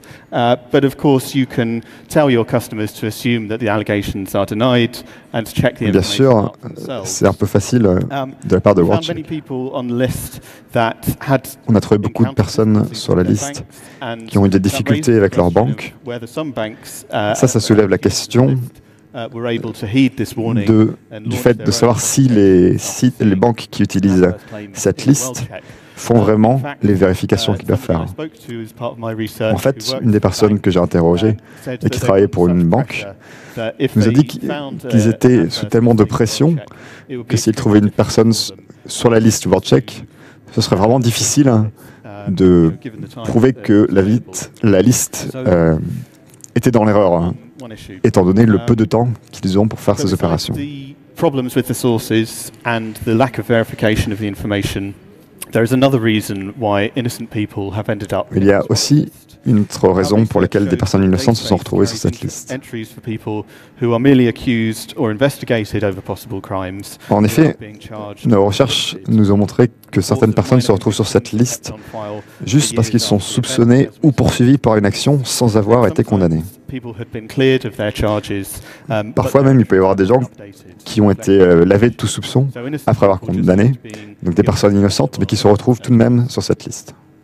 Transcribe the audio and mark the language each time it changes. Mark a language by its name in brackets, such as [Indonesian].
[English] But of course, you can tell your customers to assume that the allegations are denied and to check the information [French] bien sûr, c'est un peu facile de la part de WorldCheck. [English] Many people on the list that had [French] on a trouvé beaucoup de personnes sur la liste qui ont eu des difficultés avec leur banque. Ça soulève la question du fait de savoir si les banques qui utilisent cette liste font vraiment les vérifications qu'ils doivent faire. En fait, une des personnes que j'ai interrogées et qui travaillait pour une banque nous a dit qu'ils étaient sous tellement de pression que s'ils trouvaient une personne sur la liste World Check, ce serait vraiment difficile de prouver que la liste était dans l'erreur, étant donné le peu de temps qu'ils ont pour faire ces opérations. [English] Problems with the sources and the lack of verification of the information. There is another reason why innocent people have ended up. [French] Il y a aussi une autre raison pour laquelle des personnes innocentes se sont retrouvées sur cette liste. [English] Entries for people who are merely accused or investigated over possible crimes. [French] En effet, nos recherches nous ont montré que certaines personnes se retrouvent sur cette liste juste parce qu'ils sont soupçonnés ou poursuivis par une action sans avoir été condamnés. [English] People had been cleared of their charges. [French] Parfois même, il peut y avoir des gens qui ont été lavés de tout soupçon après avoir condamné, donc des personnes innocentes, mais qui se retrouvent tout de même sur cette liste.